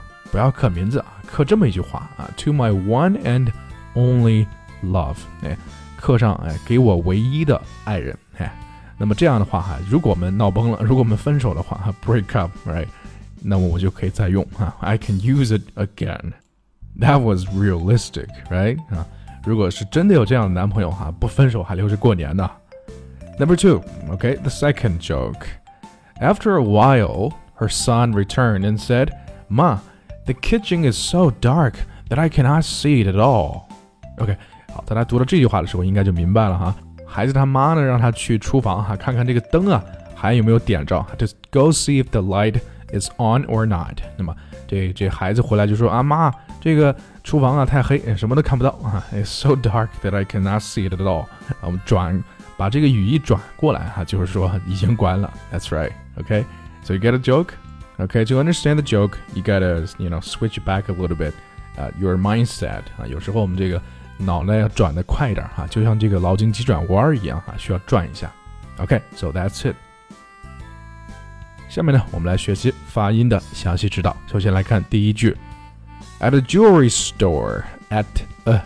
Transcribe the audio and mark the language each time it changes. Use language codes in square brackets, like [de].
[zh] 不要刻名字啊刻这么一句话啊 , [en] to my one and only love, [zh] 哎刻上、哎、给我唯一的爱人、哎、那么这样的话如果我们闹崩了如果我们分手的话 [en] break up、 [zh] right? 那么我就可以再用、啊、 [en] I can use it again That was realistic right?、 [zh] 啊、如果是真的有这样的男朋友、啊、不分手还留着过年呢 [en] Number two okay, The second joke After a while Her son returned and said Ma, the kitchen is so dark That I cannot see it at all [zh] Okay好大家读到这句话的时候应该就明白了哈孩子他妈呢让他去厨房哈看看这个灯啊还有没有点着 [en] Just go see if the light is on or not [zh] 那么 这孩子回来就说啊妈这个厨房啊太黑什么都看不到、啊、 [en] It's so dark that I cannot see it at all [zh] 我们转把这个语义转过来哈就是说已经关了 [en] That's right Okay So you get a joke Okay to understand the joke You gotta you know switch back a little bit your mindset、 [zh] 啊、有时候我们这个脑袋要转得快一点、啊、就像这个劳筋急转弯一样、啊、需要转一下 [en] OK, so that's it [zh] 下面呢我们来学习发音的详细指导首先来看第一句 [en] At a jewelry store At、